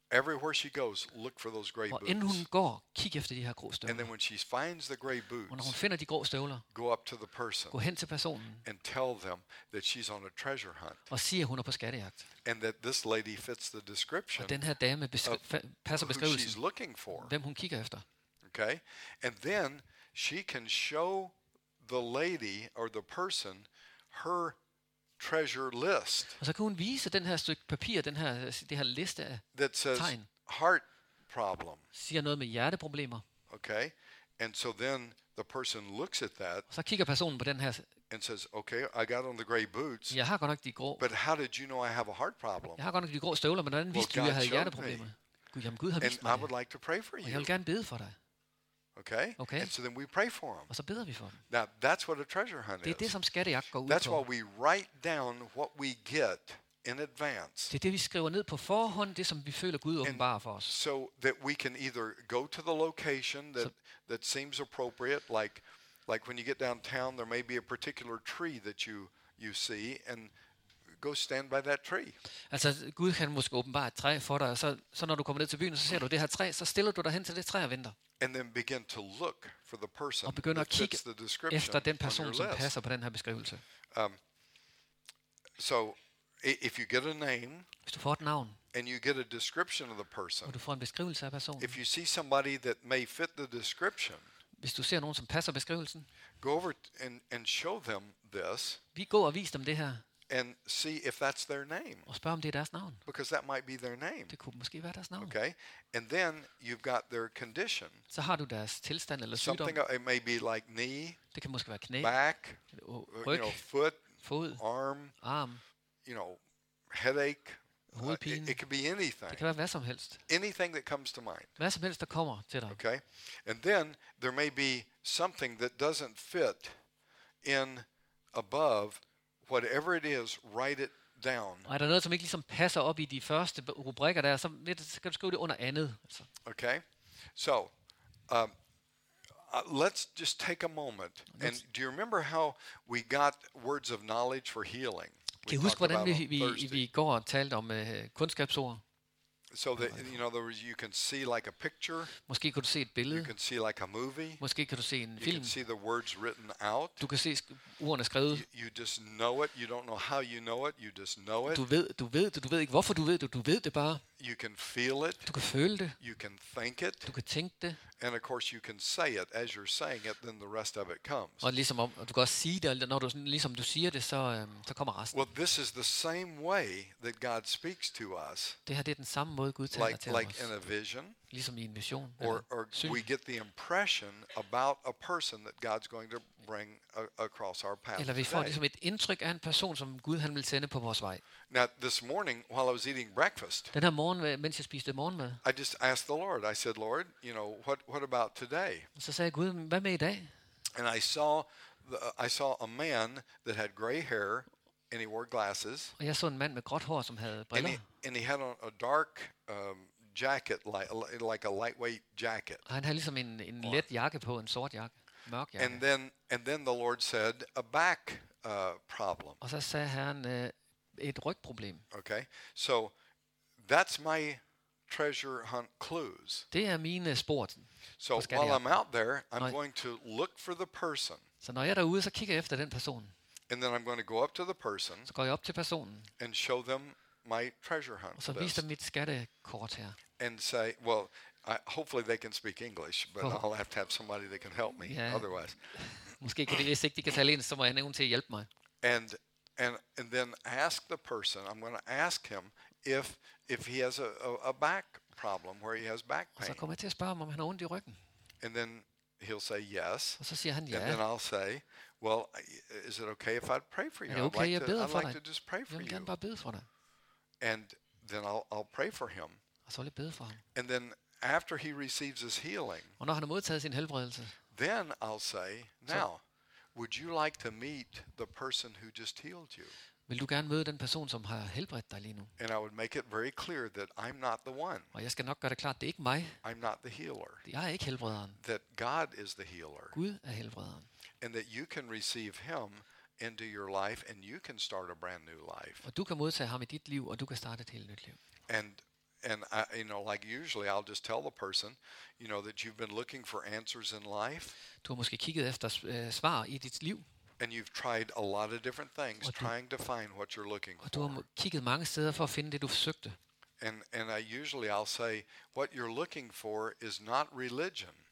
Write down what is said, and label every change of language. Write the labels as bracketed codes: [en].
[en] Everywhere she goes, look for those gray boots. [da] Og inden hun går, kig efter de her grå støvler. [en] And then when she finds the gray boots, [da] og når hun finder de grå støvler, [en] go up to the person. [da] Gå hen til personen. [en] And tell them that she's on a treasure hunt. [da] Og sig at hun er på skattejagt. [en] And that this lady fits the description. [da] Og den her dame passer beskrivelsen. [en] Who she's looking for. [da] Hvem hun kigger efter. [en] Okay? And then she can show the lady or the person her treasure list. [da] Og så kan hun vise den her stykke papir, det her liste af [en] that says [da] tegn. [en] Heart problem. [da] Siger noget med hjerteproblemer. [en] Okay. And so then the person looks at that. [da] Og så kigger personen på den her [en] and says, okay, I got on the gray boots. [da] Jeg har godt nok de grå. [en] But how did you know I have a heart problem? [da] Jeg har godt nok de grå støvler, men hvordan vidste du jeg havde hjerteproblemer? Gud har vist mig. [en] And I would like to pray for you. [da] Jeg vil gerne bede for dig. [en] Okay? Okay. And so then we pray for him. [da] Og så beder vi for ham. [en] Now that's what a treasure hunt is. [da] Det er det som skattejagt går ud på. [en] That's why we write down what we get in advance. [da] Det er det vi skriver ned på forhånd, det som vi føler Gud åbenbarer for os. [en] So that we can either go to the location that seems appropriate, like when you get downtown there may be a particular tree that you see and go stand by that tree. [da] Altså Gud kan måske åbenbare et træ for dig, så når du kommer ned til byen, så ser du det her træ, så stiller du dig hen til det træ og venter. [en] And then begin to look for the person [da] og begynder at kigge [en] the description [da] efter den person, som passer på den her beskrivelse. [en] So, if you get a name, [da] hvis du får et navn, [en] and you get a description of the person, [da] og du får en beskrivelse af personen, [en] if you see somebody that may fit the description, [da] hvis du ser nogen, som passer beskrivelsen, [en] go over and show them this. [da] Vi går og viser dem det her. [en] And see if that's their name. [da] Og spørg om det er deres navn. [en] Because that might be their name. [da] Det kunne måske være deres navn. [en] Okay. And then you've got their condition. [da] Så har du deres tilstand eller sygdom. [en] Something it may be like knee. [da] Det kan måske være knæ. [en] Back. [da] Ryg, [en] you know, foot. [da] Fod. [en] Arm. You know, headache. [da] Hovedpine. [en] It could be anything. [da] Det kan være hvad som helst. [en] Anything that comes to mind. [da] Hvad som helst der kommer til dig. [en] Okay. And then there may be something that doesn't fit in above. Whatever it is, write it down. [da] Og er der noget, som ikke ligesom passer op i de første rubrikker der, så kan du skrive det under andet. Altså. [en] Okay. So, let's just take a moment. And do you remember how we got words of knowledge for healing? [da] Kan du huske, hvordan vi går og talte om kundskabsord? [en] So that, you know, there was, you can see like a picture. [da] Måske kan du se et billede. [en] You can see like a movie. [da] Måske kan du se en film. [en] You can see the words written out. [da] Du kan se ordene skrevet. [en] You just know it. You don't know how you know it. You just know it. [da] Du ved det. Du ved ikke hvorfor du ved det. Du ved det bare. [en] You can feel it. [da] Du kan føle det. [en] You can think it. [da] Du kan tænke det. [en] And of course you can say it as you're saying it, then the rest of it comes. [da] Og ligesom du kan også sige det, når du ligesom du siger det, så kommer resten. [en] Well, this is the same way that God speaks to us. [da] Det her, det er den samme måde Gud taler til os. [en] Like in a vision. [da] Ligesom i en vision. [en] Or we get the impression about a person that God's going to bring across our path. [da] Eller vi får ligesom et indtryk af en person, som Gud han vil sende på vores vej. [en] Now this morning, while I was eating breakfast, [da] den her morgen, mens jeg spiste morgenmad, [en] I just asked the Lord. I said, Lord, you know, what about today? [da] Så sagde Gud, hvad med i dag? [en] And I saw a man that had gray hair, and he wore glasses. [da] Og jeg så en mand med gråt hår, som havde briller. [en] And he had on a dark jacket, like a lightweight jacket. [da] Han havde ligesom en let jakke på, en sort jakke, mørk jakke. [en] And then the Lord said a back problem. [da] Og så sagde han et rygproblem. [en] Okay, so that's my treasure hunt clues. [da] Det er mine spor. [en] So while I'm out there, I'm going to look for the person. [da] Så når jeg er derude, så kigger jeg efter den person. [en] And then I'm going to go up to the person. [da] Så går jeg op til personen. [en] And show them my treasure hunt. [da] Og så viser dem mit skattekort her. [en] And say, well, hopefully they can speak English, but I'll have to have somebody that can help me otherwise. [da] Måske kan de, hvis ikke de kan tale engelsk, så må jeg have nogen til at hjælpe mig. [en] And then ask the person. I'm going to ask him if he has a back problem, where he has back pain. [da] Og så kommer jeg til at spørge ham, om han har ondt i ryggen. [en] And then he'll say yes. [da] Og så siger han ja. [en] And then I'll say, well, is it okay if I pray for you? [da] Er det okay, jeg beder for dig? [en] I'd like to just pray for you. [da] Jeg vil bare bede for dig. [en] And then I'll pray for him. [da] Og så vil jeg bede for ham. [en] And then after he receives his healing. [da] Og når han har modtaget sin helbredelse. [en] Then I'll say, now, would you like to meet the person who just healed you? [da] Vil du gerne møde den person, som har helbredt dig lige nu? [en] And I would make it very clear that I'm not the one. [da] Og jeg skal nok gøre det klart, det er ikke mig. [en] I'm not the healer. [da] Jeg er ikke helbrederen. [en] That God is the healer. [da] Gud er helbrederen. [en] And that you can receive him into your life and you can start a brand new life. [da] Og du kan modtage ham i dit liv og du kan starte et helt nyt liv. [en] And I, you know, like usually I'll just tell the person, you know, that you've been looking for answers in life. [da] Du har måske kigget efter svar i dit liv. [en] And you've tried a lot of different things trying to find what you're looking for. [da] Og du har kigget mange steder for at finde det du forsøgte. [en] And I usually I'll say what you're looking for is not religion.